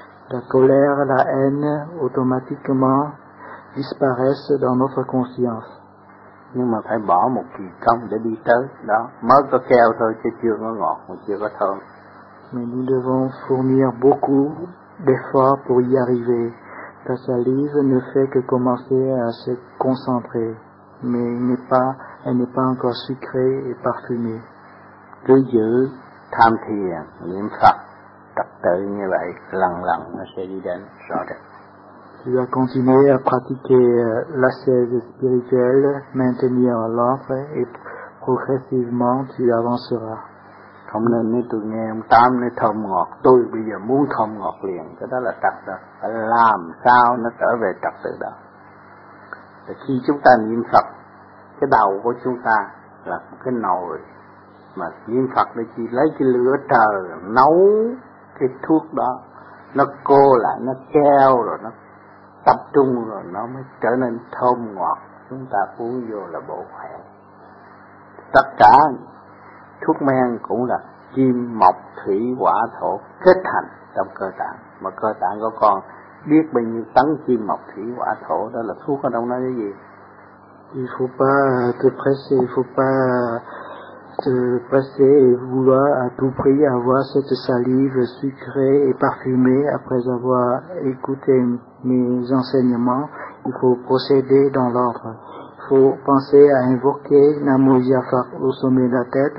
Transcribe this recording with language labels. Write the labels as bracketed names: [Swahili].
[French] La colère, la haine automatiquement disparaissent dans notre conscience. [Vietnamese] Nhưng mà phải bỏ một kỳ công để đi tới đó, mới có keo thôi chứ chưa có ngọt, mà chưa có thơm. [French] Mais nous devons fournir beaucoup d'efforts pour y arriver. La salive ne fait que commencer à se concentrer, mais elle n'est pas encore sucrée et parfumée. [Vietnamese] Cứ giữ tham thiền, niệm Phật, tập tự như vậy, lần lần nó sẽ đi đến rõ rệt. [French] Tu dois continuer à pratiquer l'ascèse spirituelle, maintenir l'ordre et progressivement tu avanceras. [Vietnamese] Không nên nói tôi nghe ông Tám nói thơm ngọt, tôi bây giờ muốn thơm ngọt liền, cái đó là trật tự. Làm sao nó trở về trật tự đó? Thì khi chúng ta niệm Phật, cái đầu của chúng ta là một cái nồi, mà niệm Phật nó chỉ lấy cái lửa trời nấu cái thuốc đó, nó cô lại, nó keo rồi nó tập trung rồi nó mới trở nên thơm ngọt, chúng ta uống vô là bổ khỏe. Tất cả thuốc men cũng là kim mộc thủy hỏa thổ kết thành trong cơ tạng, mà cơ tạng của con biết bao nhiêu tấn kim mộc thủy hỏa thổ, đó là thuốc ở đâu nói cái gì. [French] Il faut pas te presser, il faut pas te presser et vouloir à tout prix avoir cette salive sucrée et parfumée après avoir écouté mes enseignements. Il faut procéder dans l'ordre. Il faut penser à invoquer Namo Yafak au sommet de la tête.